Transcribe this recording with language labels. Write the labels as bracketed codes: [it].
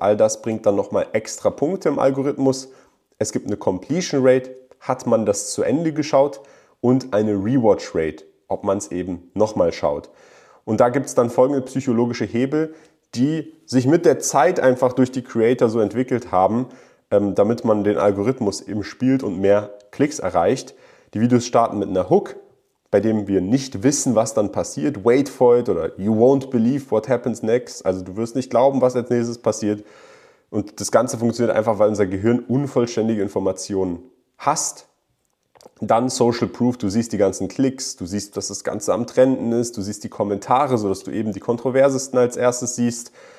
[de] All das bringt dann nochmal extra Punkte im Algorithmus. Es gibt eine Completion Rate, hat man das zu Ende geschaut und eine Rewatch Rate, ob man es eben nochmal schaut. Und da gibt es dann folgende psychologische Hebel, die sich mit der Zeit einfach durch die Creator so entwickelt haben, damit man den Algorithmus eben spielt und mehr Klicks erreicht. Die Videos starten mit einer Hook, bei dem wir nicht wissen, was dann passiert. [en] Wait for it oder you won't believe what happens next. [de] Also du wirst nicht glauben, was als nächstes passiert. Und das Ganze funktioniert einfach, weil unser Gehirn unvollständige Informationen hasst. Dann Social Proof, du siehst die ganzen Klicks, du siehst, dass das Ganze am Trenden ist, du siehst die Kommentare, sodass du eben die kontroversesten als erstes siehst.